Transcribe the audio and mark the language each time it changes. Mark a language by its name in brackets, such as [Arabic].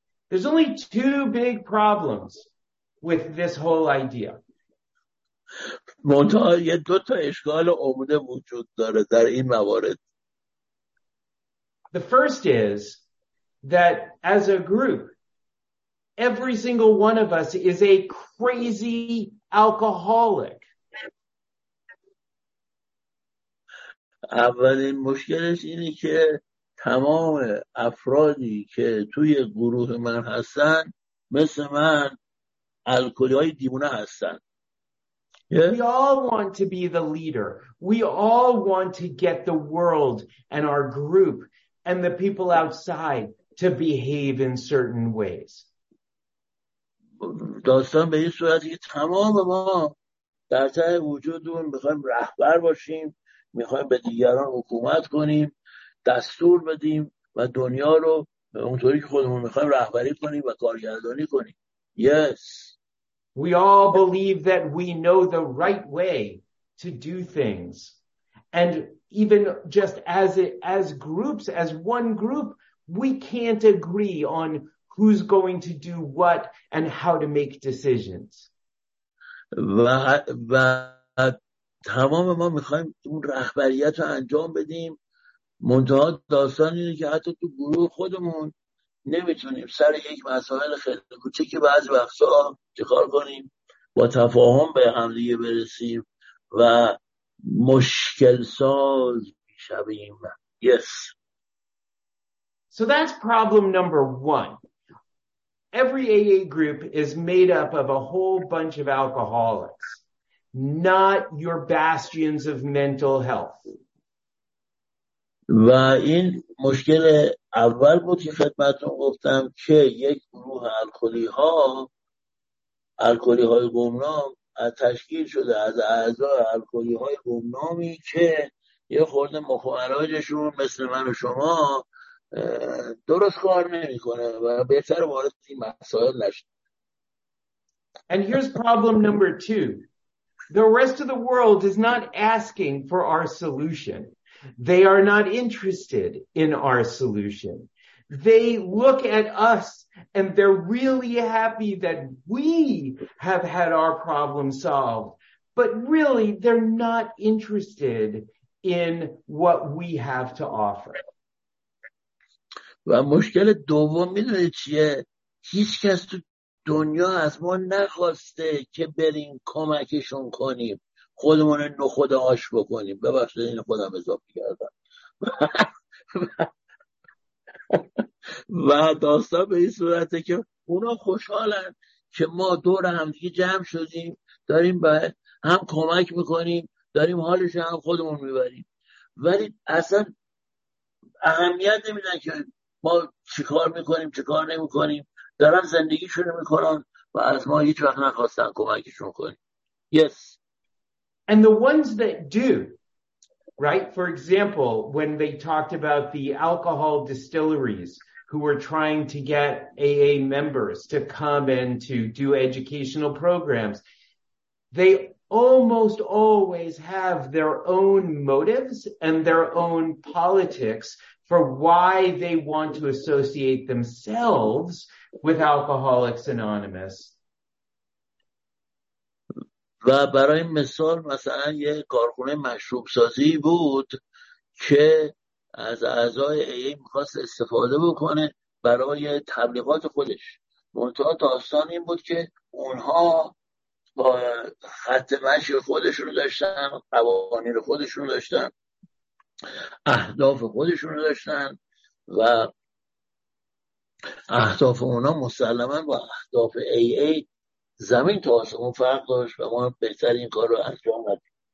[English] there's only two big problems with this whole idea [Persian] منتها یه دو تا اشکال عمده وجود داره در این موارد [English] The first is that as a group, every single one of us is a crazy alcoholic. [Persian] اولین مشکلش اینه که تمام افرادی که توی گروه من هستن مثل من الکلی‌های دیوونه هستن. [English] Yes. We all want to be the leader. We all want to get the world and our group and the people outside to behave in certain ways. [Persian] داستان به این صورتی که تمام ما در ته وجودمون میخوایم رهبر باشیم، میخوایم به دیگران حکومت کنیم، دستور بدیم و دنیا رو اونطوری که خودمون میخوایم رهبری کنیم و کارگردانی کنیم. [English] Yes. We all believe that we know the right way to do things. And even just as groups, as one group, we can't agree on who's going to do what and how to make decisions. [Persian] و تمام ما میخوایم اون رهبریت رو انجام بدیم. منتها داستان اینه که حتی تو گروه خودمون نمیتونیم سر یک مسائل خیلی کوچیک بعضی وقتا چیکار کنیم با تفاهم به همدیگه برسیم و مشکل ساز میشویم. [English] Yes. So that's problem number one. Every AA group is made up of a whole bunch of alcoholics, not your bastions of mental health. [Persian] و این مشکل اول بود که خدمتتون گفتم که یک گروه الکلی ها الکلی های گمنام تشکیل شده از اعضای الکلی های گمنامی که یه خورده مخارجشون مثل من و شما درست کار نمی کنه و بهتر وارد این مسائل نشه. [English] And here's problem number two. The rest of the world is not asking for our solution. They are not interested in our solution. They look at us and they're really happy that we have had our problem solved. But really, they're not interested in what we have to offer. [Persian] و مشکل دوم میدونی چیه؟ هیچ کس تو دنیا از ما نخواسته که بریم کمکشون کنیم، خودمون نخود آش بکنیم. ببخشید این خودم اضافه کردم. و داستان به این صورته که اونا خوشحالن که ما دور همدیگه جمع شدیم، داریم به هم کمک میکنیم، داریم حالش هم خودمون میبریم، ولی اصلا اهمیت نمیدن که ما چی کار میکنیم چی کار نمیکنیم، دارن زندگیشون میکنن و از ما هیچ وقت نخواستن کمکشون کنیم. [English] Yes. And the ones that do, right? For example, when they talked about the alcohol distilleries who were trying to get AA members to come and to do educational programs, they almost always have their own motives and their own politics for why they want to associate themselves with Alcoholics Anonymous. [Persian] و برای مثال مثلا یه کارخونه مشروب سازی بود که از اعضای AA میخواست استفاده بکنه برای تبلیغات خودش. منتها داستان این بود که اونها با خط مشی خودشون رو داشتن، قوانین خودشون رو داشتن، اهداف خودشون رو داشتن و اهداف اونا مسلما با اهداف AA زمین تو آسمون فرق داشت و ما بهتر این کار رو انجام دادیم.